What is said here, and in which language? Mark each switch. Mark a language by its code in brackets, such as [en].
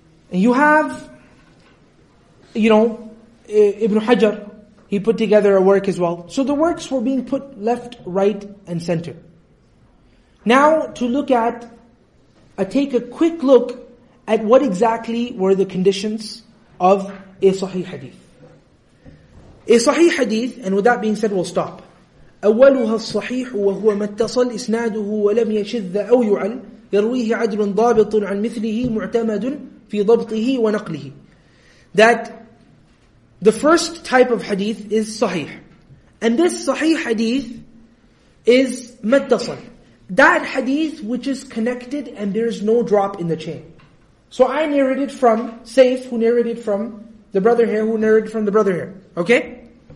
[en] And you have, you know, Ibn Hajar, he put together a work as well. So the works were being put left, right, and center. Now to look at, take a quick look at what exactly were the conditions of a sahih hadith. A sahih hadith, and with that being said, we'll stop. [ar] أولها الصحيح وهو ما اتصل إسناده ولم يشذ أو يعل يرويه عدل ضابط عن مثله معتمد في ضبطه ونقله. [en] That the first type of hadith is sahih. And this sahih hadith is [ar] ما اتصل. [en] That hadith which is connected and there is no drop in the chain. So I narrated from Saif, who narrated from the brother here, who narrated from the brother here. Okay?